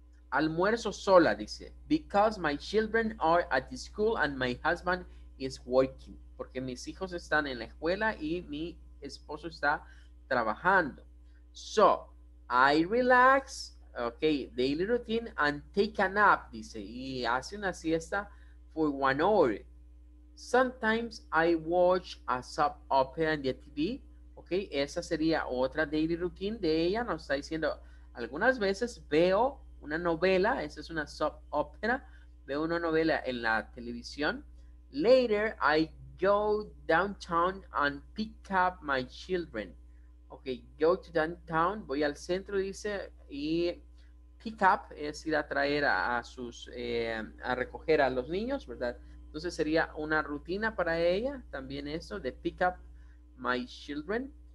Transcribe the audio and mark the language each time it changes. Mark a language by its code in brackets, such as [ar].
[en] Almuerzo sola, dice, because my children are at the school and my husband is working. [es] Porque mis hijos están en la escuela y mi esposo está trabajando. [en] So, I relax, okay, daily routine, and take a nap, dice, y hace una siesta for 1 hour. Sometimes I watch a soap opera on the TV. [es] Ok, esa sería otra daily routine de ella. Nos está diciendo, algunas veces veo una novela. Esa es una soap opera. Veo una novela en la televisión. [en] Later I go downtown and pick up my children. Ok, go to downtown. [es] Voy al centro, dice, y pick up es ir a traer a recoger a los niños, ¿verdad? Entonces sería una rutina para ella, también eso, de pick up my children.